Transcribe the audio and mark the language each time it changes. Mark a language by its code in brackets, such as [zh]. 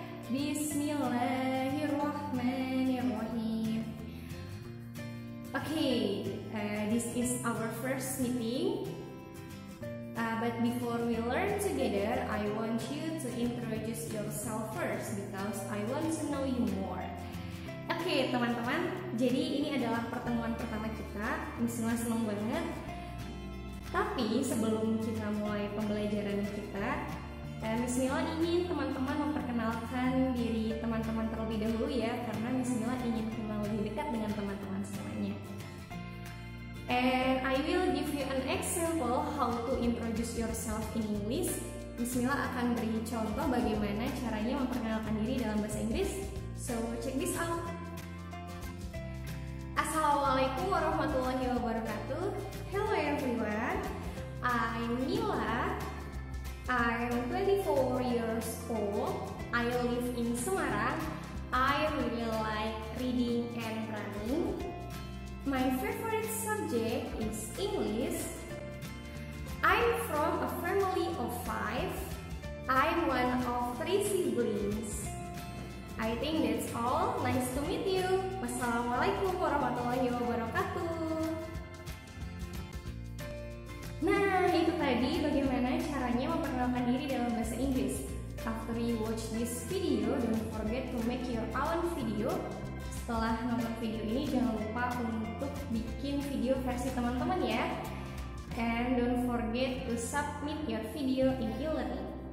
[ar] Bismillahirrahmanirrahim. [en] Okay, this is our first meeting. But before we learn together, I want you to introduce yourself first because I want to know you more. [id] Okay, teman-teman, jadi ini adalah pertemuan pertama kita. Bismillah, senang banget. Tapi sebelum kita mulai pembelajaran kita, Miss Mila ingin teman-teman memperkenalkan diri teman-teman terlebih dahulu ya, karena Miss Mila ingin kenal lebih dekat dengan teman-teman semuanya. [en] And I will give you an example how to introduce yourself in English. [id] Miss Mila akan beri contoh bagaimana caranya memperkenalkan diri dalam bahasa Inggris. [en] So check this out. [ar] Assalamualaikum warahmatullahi wabarakatuh. [en] Hello everyone, I'm Mila. I'm 24 years old. I live in Semarang. I really like reading and running. My favorite subject is English. I'm from a family of 5. I'm one of 3 siblings. I think that's all. Nice to meet you. [ar] Wassalamualaikum warahmatullahi wabarakatuh. [id] Nah, itu tadi bagaimana caranya memperkenalkan diri dalam bahasa Inggris. [en] After you watch this video, don't forget to make your own video. [id] Setelah nonton video ini, jangan lupa untuk bikin video versi teman-teman ya. [en] And don't forget to submit your video in e-learning.